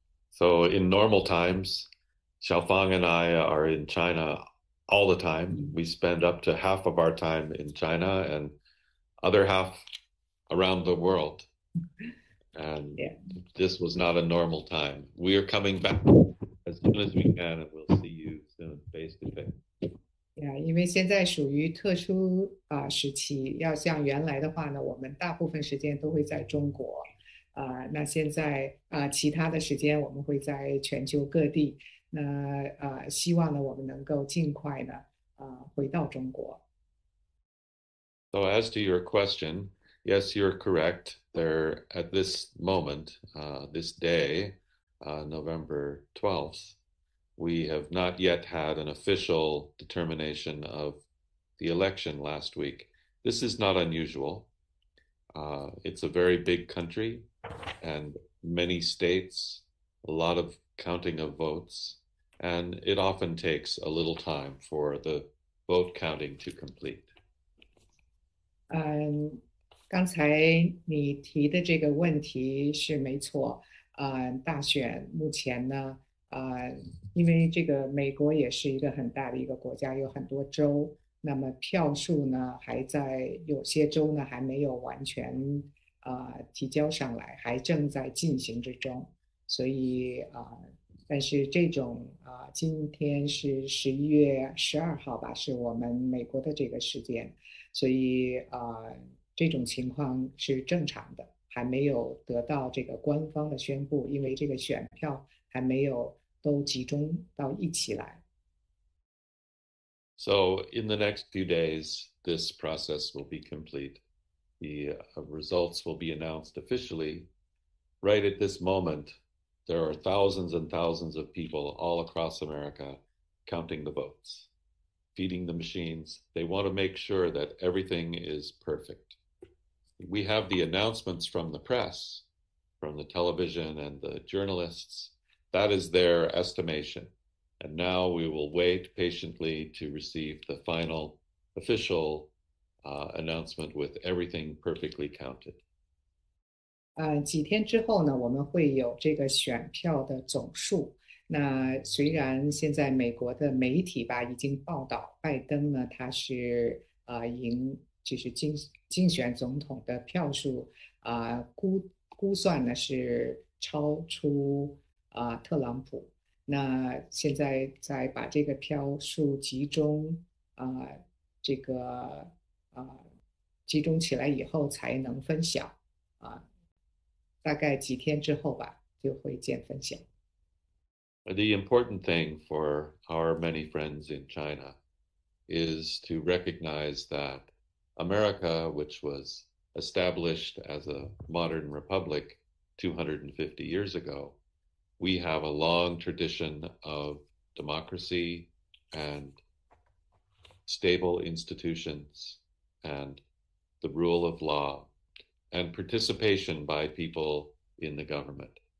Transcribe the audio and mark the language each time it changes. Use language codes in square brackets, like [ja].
[en] So in normal times, Xiaofang and I are in China all the time. We spend up to half of our time in China and other half around the world. And this was not a normal time. We are coming back as soon as we can, and we'll see you soon face to face. [zh] 因为现在属于特殊时期，要像原来的话呢，我们大部分时间都会在中国，那现在其他的时间我们会在全球各地，那希望呢我们能够尽快呢回到中国。 [en] So as to your question, yes, you're correct. There at this moment, this day, November 12th, we have not yet had an official determination of the election last week. This is not unusual. It's a very big country and many states, a lot of counting of votes, and it often takes a little time for the vote counting to complete. [zh] 刚才你提的这个问题是没错。大选目前呢，因为这个美国也是一个很大的一个国家，有很多州，那么票数呢还在，有些州呢还没有完全提交上来，还正在进行之中。所以但是这种今天是11月12号吧，是我们美国的这个时间。所以，这种情况是正常的，还没有得到这个官方的宣布，因为这个选票还没有都集中到一起来。 [en] So, in the next few days, this process will be complete. The results will be announced officially. Right at this moment, there are thousands and thousands of people all across America counting the votes, feeding the machines. They want to make sure that everything is perfect. We have the announcements from the press, from the television, and the journalists. That is their estimation. And now we will wait patiently to receive the final official announcement with everything perfectly counted. [zh] 几天之后呢，我们会有这个选票的总数。那虽然现在美国的媒体吧已经报道拜登呢，他是就是竞选总统的票数估算呢是超出特朗普。那现在再把这个票数集中这个集中起来以后才能分享。大概几天之后吧，就会见分晓。 [en] The important thing for our many friends in China is to recognize that America, which was established as a modern republic 250 years ago, we have a long tradition of democracy and stable institutions and the rule of law and participation by people in the government.